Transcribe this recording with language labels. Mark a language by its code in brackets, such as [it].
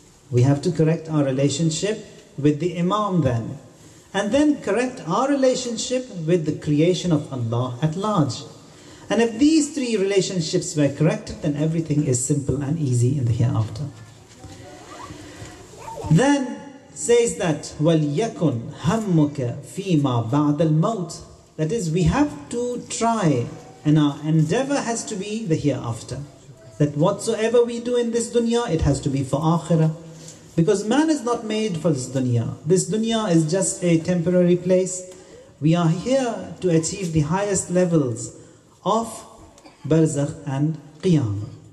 [en] We have to correct our relationship with the Imam then. And then correct our relationship with the creation of Allah at large. And if these three relationships were corrected, then everything is simple and easy in the hereafter. Then says that, [ar] وَلْيَكُنْ هَمُّكَ فِي مَا بَعْدَ الْمَوْتِ. [en] That is, we have to try, and our endeavor has to be the hereafter. That whatsoever we do in this dunya, it has to be for akhirah. Because man is not made for this dunya. This dunya is just a temporary place. We are here to achieve the highest levels of barzakh and qiyamah.